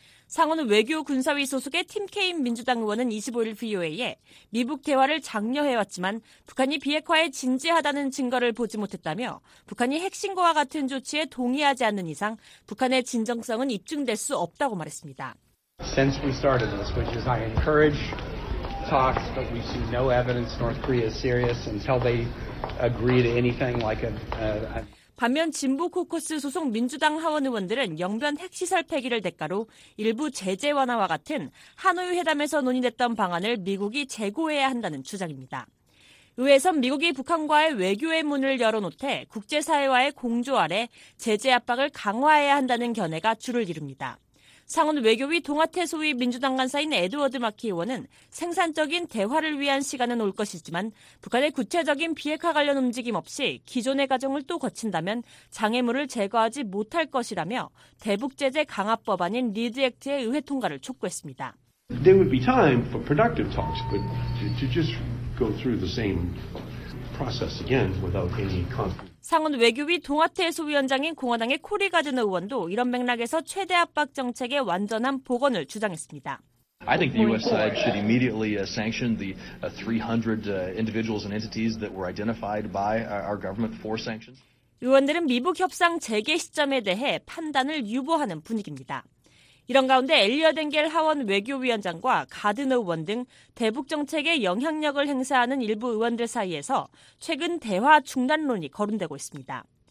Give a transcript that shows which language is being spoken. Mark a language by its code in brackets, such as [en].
[ko] 상원 외교군사위 소속의 팀 케인 민주당 의원은 25일 VOA에 미북 대화를 장려해왔지만 북한이 비핵화에 진지하다는 증거를 보지 못했다며 북한이 핵심과 같은 조치에 동의하지 않는 이상 북한의 진정성은 입증될 수 없다고 말했습니다. [en] Since we started this, which is I encourage talks, but we see no evidence North Korea is serious until they agree to anything like a [ko] 반면 진보 코커스 소속 민주당 하원 의원들은 영변 핵시설 폐기를 대가로 일부 제재 완화와 같은 하노이 회담에서 논의됐던 방안을 미국이 재고해야 한다는 주장입니다. 의회에선 미국이 북한과의 외교의 문을 열어놓되 국제사회와의 공조 아래 제재 압박을 강화해야 한다는 견해가 주를 이룹니다. 상원 외교위 동아태 소위 민주당 간사인 에드워드 마키 의원은 생산적인 대화를 위한 시간은 올 것이지만 북한의 구체적인 비핵화 관련 움직임 없이 기존의 과정을 또 거친다면 장애물을 제거하지 못할 것이라며 대북 제재 강화 법안인 리드 액트의 의회 통과를 촉구했습니다. [en] There would be time for productive talks, but to just go through the same process again without any concrete. [ko] 상원 외교위 동아태 소위원장인 공화당의 코리 가드너 의원도 이런 맥락에서 최대 압박 정책의 완전한 복원을 주장했습니다. [en] I think the U.S. side should immediately sanction the 300 individuals and entities that were identified by our government for sanctions. [ko] 의원들은 미북 협상 재개 시점에 대해 판단을 유보하는 분위기입니다. 이런 가운데 엘리엇 앵겔 하원 외교위원장과 가드너 의원 등 대북 정책에 영향력을 행사하는 일부 의원들 사이에서 최근 대화 중단론이 거론되고 있습니다.